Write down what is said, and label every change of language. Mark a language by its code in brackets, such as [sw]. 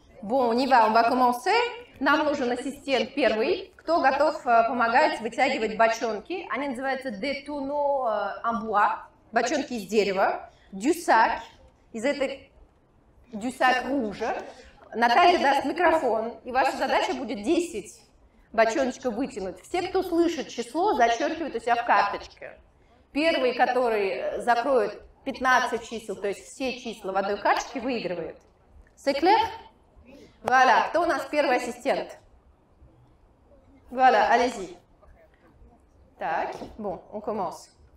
[fr] Bon, on y va, on va commencer. [ru] Нам нужен ассистент первый. Кто готов помогать вытягивать бочонки? Они называются [fr] des tonneaux en bois, [ru] бочонки из дерева. [fr] Du sac, [ru] из этой [fr] du sac rouge. [ru] Наталья даст микрофон, и ваша задача будет 10 бочоночков вытянуть. Все, кто слышит число, зачеркивают у себя в карточке. Первый, который закроет 15 чисел, то есть все числа в одной карточке, выигрывает. [fr] C'est clair? Voilà, [ru] кто у нас первый ассистент? [fr] Voilà, allez-y. [ru] Так, [fr] bon, on commence.